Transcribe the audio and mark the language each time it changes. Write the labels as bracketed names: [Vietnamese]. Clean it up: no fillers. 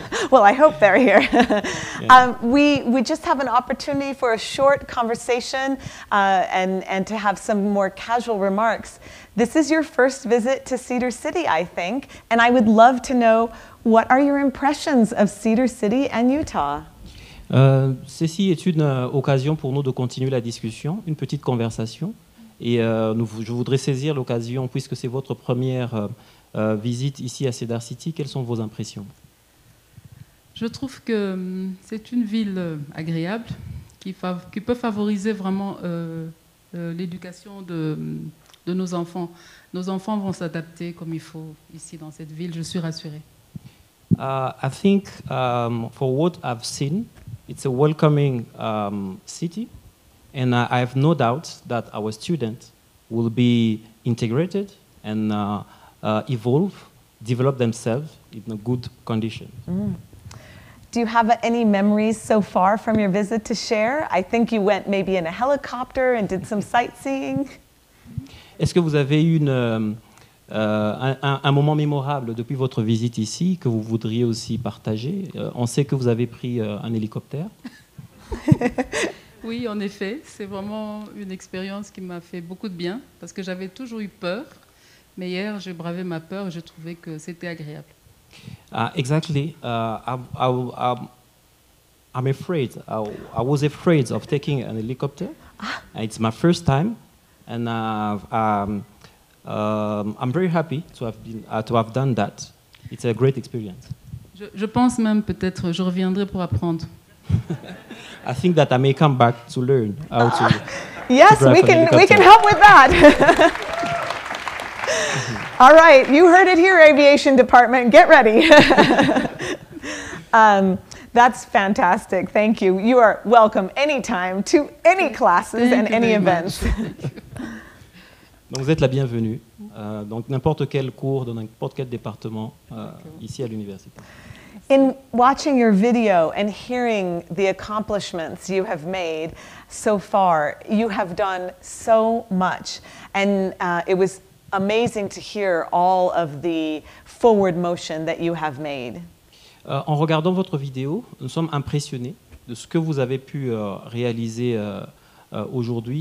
[English] Well, I hope they're here. Yeah. We just have an opportunity for a short conversation and to have some more casual remarks. This is your first visit to Cedar City, I think, and I would love to know, what are your impressions of Cedar City and Utah? [French] Ceci est une occasion pour nous de continuer la discussion, une petite conversation, et je voudrais saisir l'occasion, puisque c'est votre première visite ici à Cedar City, quelles sont vos impressions? Je trouve que c'est une ville agréable qui peut favoriser vraiment l'éducation de nos enfants. Nos enfants vont s'adapter comme il faut ici dans cette ville, je suis rassurée. [English] I think for what I've seen, it's a welcoming city, and I have no doubt that our students will be integrated and evolve, develop themselves in a good condition. Mm. Do you have any memories so far from your visit to share? I think you went maybe in a helicopter and did some sightseeing. [French] Est-ce que vous avez eu un moment mémorable depuis votre visite ici que vous voudriez aussi partager? On sait que vous avez pris un hélicoptère. Oui, en effet, c'est vraiment une expérience qui m'a fait beaucoup de bien parce que j'avais toujours eu peur. Mais hier, j'ai bravé ma peur et j'ai trouvé que c'était agréable. [English] Exactly. I'm afraid. I was afraid of taking an helicopter. It's my first time, and I'm very happy to have done that. It's a great experience. [French] Je pense même peut-être je reviendrai pour apprendre. [English] I think that I may come back to learn how to. Yes, to drive we can. We can help with that. All right, you heard it here, Aviation Department. Get ready. That's fantastic. Thank you. You are welcome anytime to any classes thank and any events. [French] Donc vous êtes la bienvenue. Donc n'importe quel cours dans n'importe quel département ici à l'université. [English] In watching your video and hearing the accomplishments you have made so far, you have done so much, and it was amazing to hear all of the forward motion that you have made. [French] En regardant votre vidéo, nous sommes impressionnés de ce que vous avez pu réaliser aujourd'hui.